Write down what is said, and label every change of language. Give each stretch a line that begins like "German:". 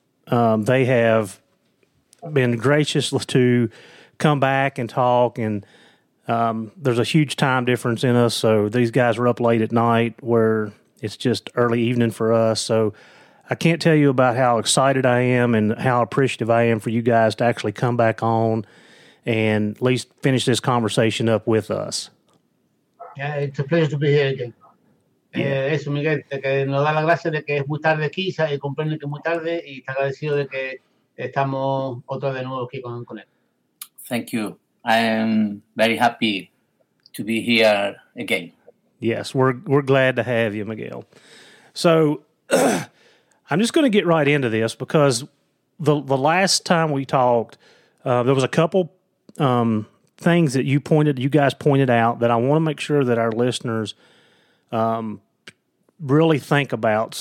English: They have been gracious to come back and talk, and there's a huge time difference in us, so these guys were up late at night where it's just early evening for us. So I can't tell you about how excited I am and how appreciative I am for you guys to actually come back on and at least finish this conversation up with us. Yeah, it's a pleasure to be here again. Yeah.
Spanish: Eso, Miguel, que nos da la gracia de que es muy tarde aquí, y comprende que es muy tarde, y está agradecido de que estamos otra de nuevo aquí con él.
English: Thank you. I am very happy to be here again. Yes, we're glad to have you, Miguel. So I'm just going to get right into this because the last time we talked, there was a couple things that you guys pointed out that I want to make sure that our listeners really think about.